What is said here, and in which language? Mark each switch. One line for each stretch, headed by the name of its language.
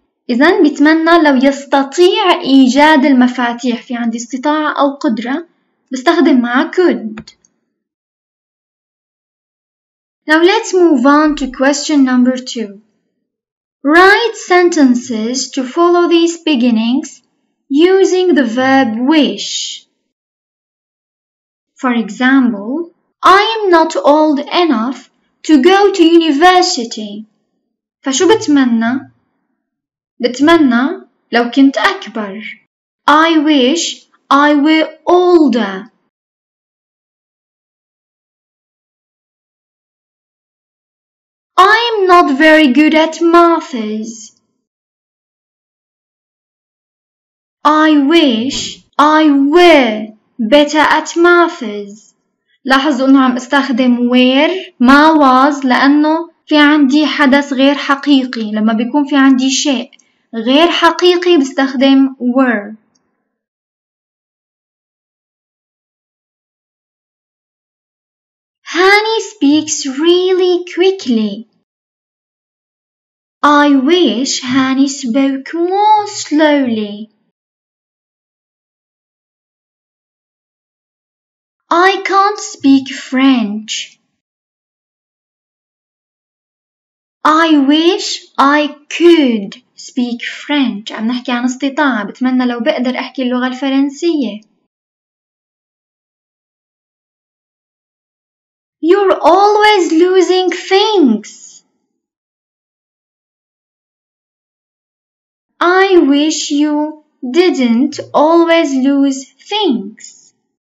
Arabic: إذن بتمنى لو يستطيع إيجاد المفاتيح، في عندي استطاعة أو قدرة، بستخدم معه could.
English: Now let's move on to question number two. Write sentences to follow these beginnings using the verb wish. For example, I am not old enough to go to university.
Arabic: فشو بتمنى؟ بتمنى لو كنت أكبر.
English: I wish I were older. I'm not very good at maths. I wish I were better at maths.
Arabic: لاحظوا أنه عم استخدم where ما was، لأنه في عندي حدث غير حقيقي. لما بيكون في عندي شيء غير حقيقي بستخدم were.
English: هاني speaks really quickly. I wish Hani spoke more slowly. I can't speak French. I wish I could speak French.
Arabic: عم نحكي عن استطاعة، بتمنى لو بقدر أحكي اللغة الفرنسية.
English: You're always losing things. I wish you didn't always lose things.